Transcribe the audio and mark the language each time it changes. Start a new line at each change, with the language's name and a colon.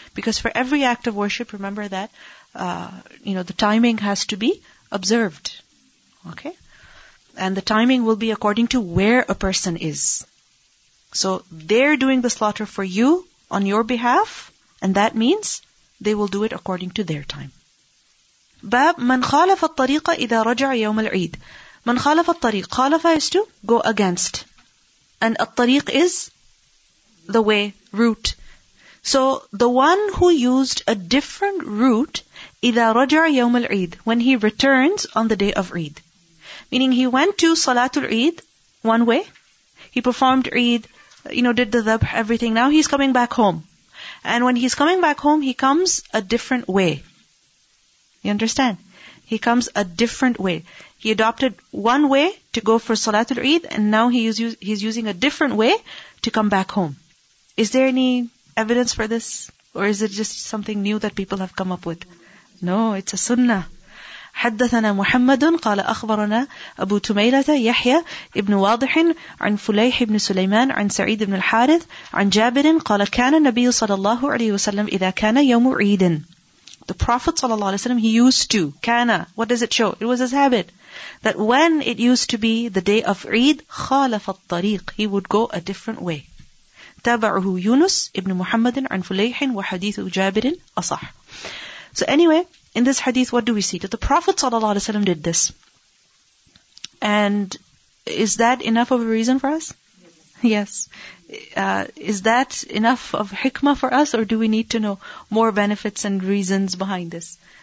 English: Because for every act of worship, remember that, the timing has to be observed. Okay? And the timing will be according to where a person is. So, they're doing the slaughter for you on your behalf, and that means they will do it according to their time.
Arabic: باب من خالف الطريقة إذا رجع يوم العيد من خالف الطريق خالف
English: is to go against. And الطريق is the way, route. So, the one who used a different route,
Arabic: إِذَا رَجَعَ يَوْمَ الْعِيدِ
English: When he returns on the day of Eid. Meaning, he went to Salatul Eid one way. He performed Eid, did the dhabh, everything. Now he's coming back home. And when he's coming back home, he comes a different way. You understand? He comes a different way. He adopted one way to go for Salatul Eid, and now he's using a different way to come back home. Is there any evidence for this? Or is it just something new that people have come up with? No, it's a sunnah.
Arabic: حدثنا محمد قال أخبرنا أبو تميلة يحيى ابن واضح عن فليح بن سليمان عن سعيد بن الحارث عن جابر قال كان النبي صلى الله عليه وسلم إذا كان يوم عيد.
English: The Prophet صلى الله عليه وسلم, he used to, كان, what does it show? It was his habit that when it used to be the day of عيد,
Arabic: خالف الطريق,
English: he would go a different way.
Arabic: تابعه يونس ابن محمد عن فليح وحديث جابر أصح.
English: So anyway, in this hadith, what do we see? That the Prophet ﷺ did this. And is that enough of a reason for us? Yes. Is that enough of hikmah for us? Or do we need to know more benefits and reasons behind this?